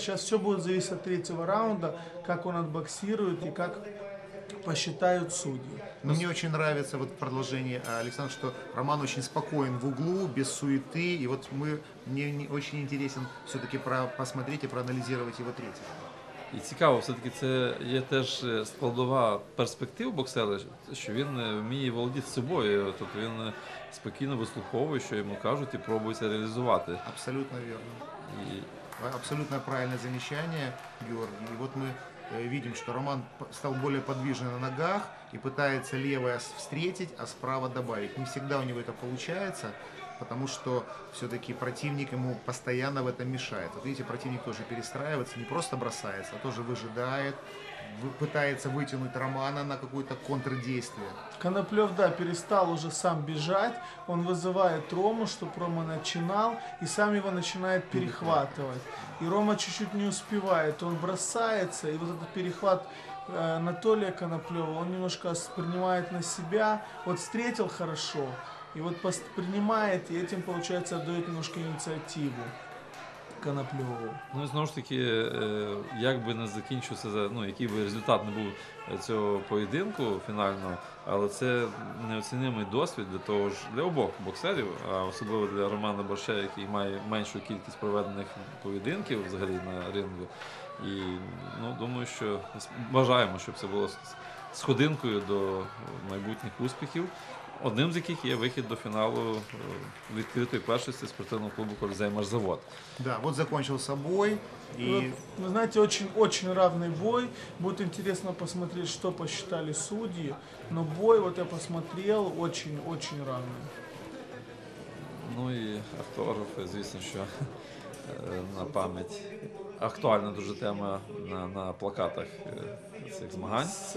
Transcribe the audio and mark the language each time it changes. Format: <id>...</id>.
<ru>Сейчас все будет зависеть от третьего раунда, как он отбоксирует и как посчитают судьи. Но мне очень нравится вот продолжение Александра, что Роман очень спокоен в углу, без суеты. И вот мне очень интересен все-таки посмотреть и проанализировать его третьего.</ru> <uk>І цікаво, все-таки це є теж складова перспектив боксера, що він вміє володіти собою, тобто він спокійно вислуховує, що йому кажуть, і пробує це реалізувати. Абсолютно вірно. Абсолютно правильне заміщання, Георгій. І от ми бачимо, що Роман став більш подвижним на ногах і намагається лівою зустрітити, а справа додати. Не завжди у нього це виходить.</uk> <ru>Потому что все-таки противник ему постоянно в этом мешает. Вот видите, противник тоже перестраивается, не просто бросается, а тоже выжидает, пытается вытянуть Романа на какое-то контрдействие. Коноплев, да, перестал уже сам бежать, он вызывает Рому, чтобы Рома начинал, и сам его начинает перехватывать. И Рома чуть-чуть не успевает, он бросается, и вот этот перехват Анатолия Коноплева, он немножко принимает на себя, вот встретил хорошо, и вот принимает, и этим, получается, отдает немножко инициативу Коноплеву.</ru> <uk>Ну и снова ж таки, как бы не закінчився, ну, який би результат не був цього поєдинку фінального, але це неоцінимий досвід для того ж, для обох боксерів, а особливо для Романа Борща, який має меншу кількість проведених поєдинків взагалі на рингу. І, ну, думаю, що бажаємо, щоб це було сходинкою до майбутніх успіхів. Одним з яких є вихід до фіналу відкритої першості спортивного клубу «Колізей Машзавод».</uk> <ru>Да, вот закончил собой. И... Вы знаете, очень-очень равный бой. Будет интересно посмотреть, что посчитали судьи. Но бой, вот я посмотрел, очень-очень равный. Ну и авторов, известно, что на память.</ru> <uk>Актуальна дуже тема на плакатах цих змагань.</uk>